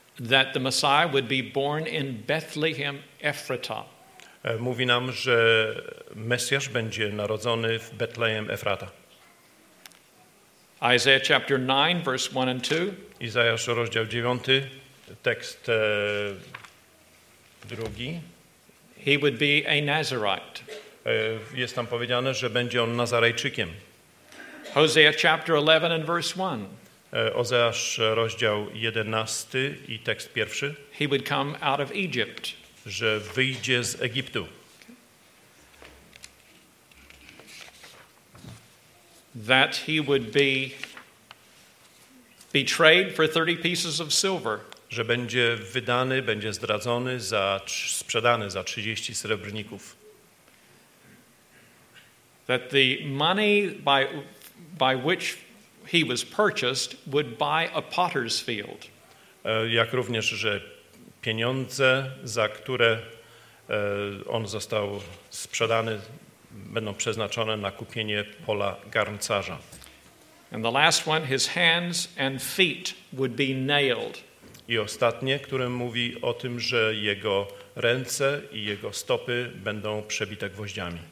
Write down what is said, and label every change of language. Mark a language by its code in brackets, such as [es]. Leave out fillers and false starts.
[en] That the Messiah would be born in Bethlehem Ephrata. [pl] Mówi nam, że Mesjasz będzie narodzony w Betlejem Efrata. [en] Isaiah chapter 9, verse 1 and 2. [pl] Izajasz, rozdział 9, tekst 2. [en] He would be a Nazarite. [pl] Jest tam powiedziane, że będzie on Nazarejczykiem. [en] Hosea chapter 11 and verse 1. [pl] Ozeasz, rozdział 11 i tekst 1. [en] He would come out of Egypt. [pl] Że wyjdzie z Egiptu. [en] That he would be betrayed for 30 pieces of silver. [pl] Że będzie wydany, będzie zdradzony, sprzedany za 30 srebrników. [en] That the money by which he was purchased would buy a potter's field. [pl] Jak również, że pieniądze, za które on został sprzedany, będą przeznaczone na kupienie pola garncarza. [en] And the last one, his hands and feet would be nailed. [pl] I ostatnie, które mówi o tym, że jego ręce i jego stopy będą przebite gwoździami.